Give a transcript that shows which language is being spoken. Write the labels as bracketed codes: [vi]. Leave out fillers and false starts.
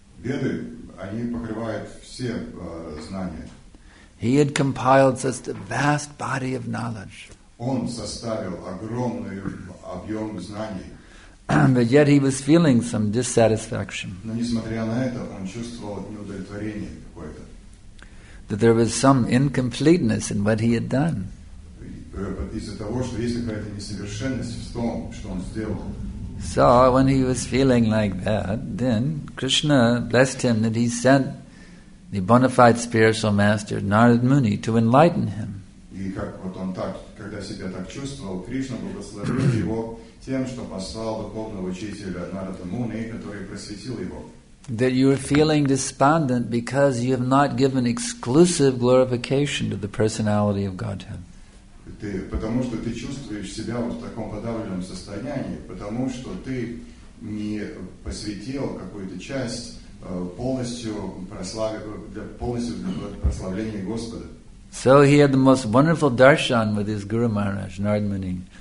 [ru] Веды, они покрывают все знания. [en] He had compiled such a vast body of knowledge. [ru] Он составил огромный объем знаний. [en] But yet he was feeling some dissatisfaction. [ru] Но несмотря на это, он чувствовал неудовлетворение какое-то. [en] That there was some incompleteness in what he had done. [ru] Из-за того, что есть какая-то несовершенность в том, что он сделал. [en] So when he was feeling like that, then Krishna blessed him that he sent the bona fide spiritual master Narad Muni to enlighten him. [ru] И как вот он так, когда себя так чувствовал, Кришна благословил его тем, что послал духовного учителя Нарада Муни, который просветил его. [en] That you are feeling despondent because you have not given exclusive glorification to the personality of Godhead. [ru] Ты, потому что ты чувствуешь себя вот в таком подавленном состоянии, потому что ты не посвятил какую-то часть полностью прославление Господа. [en] So he had the most wonderful darshan with his Guru Maharaj, Narad Muni.